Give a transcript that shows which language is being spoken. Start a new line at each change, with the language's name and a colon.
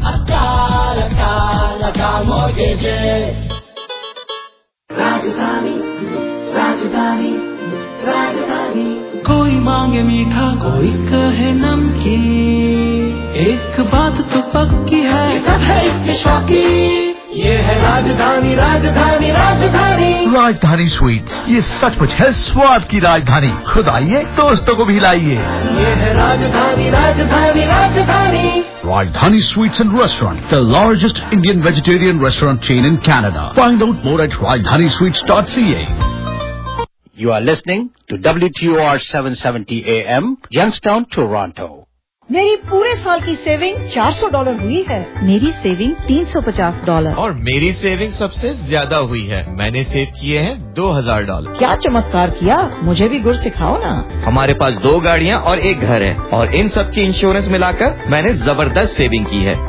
Hindi: राजधानी कोई मांगे मीठा कोई कहे नमकीन, एक बात तो पक्की है सब है इसके शौकी, ये है राजधानी राजधानी राजधानी राजधानी स्वीट्स, ये सचमुच है स्वाद की राजधानी, खुद आइए दोस्तों को भी लाइए। ये है राजधानी राजधानी राजधानी
English: Rajdhani Sweets and Restaurant, the largest Indian vegetarian restaurant chain in Canada. Find out more at rajdhanisweets.ca. You are listening to WTOR 770 AM, Youngstown, Toronto.
Hindi: मेरी पूरे साल की सेविंग $400 हुई है। मेरी सेविंग $350 और मेरी सेविंग सबसे ज्यादा हुई है, मैंने सेव किए हैं $2000। क्या चमत्कार किया, मुझे भी गुर सिखाओ ना। हमारे पास दो गाड़ियां और एक घर है और इन सब की इंश्योरेंस मिलाकर मैंने जबरदस्त सेविंग की है।